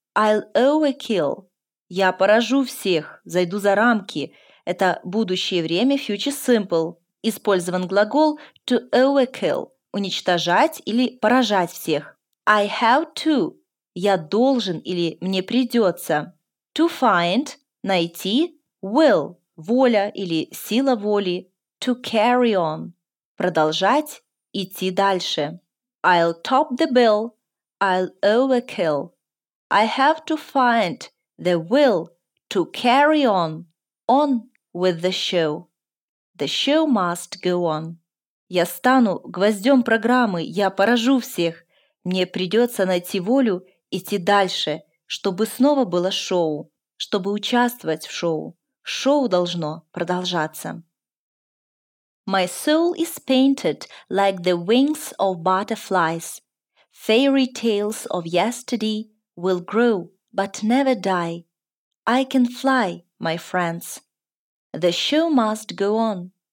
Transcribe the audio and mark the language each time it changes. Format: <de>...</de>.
<en>I'll overkill.</en> <ru>Я поражу всех. Зайду за рамки. Это будущее время</ru> <en>future simple.</en> <ru>Использован глагол</ru> <en>to overkill</en> <ru>– уничтожать или поражать всех.</ru> <en>I have to</en> <ru>– я должен или мне придется.</ru> <en>To find</en> <ru>– найти.</ru> <en>Will</en> <ru>– воля или сила воли.</ru> <en>To carry on</en> <ru>– продолжать, идти дальше.</ru> <en>I'll top the bill – I'll overkill. I have to find the will to carry on. On with the show. The show must go on.</en> <ru>Я стану гвоздем программы, я поражу всех. Мне придется найти волю идти дальше, чтобы снова было шоу, чтобы участвовать в шоу. Шоу должно продолжаться.</ru> <en>My soul is painted like the wings of butterflies. Fairy tales of yesterday will grow, but never die. I can fly, my friends. The show must go on.</en>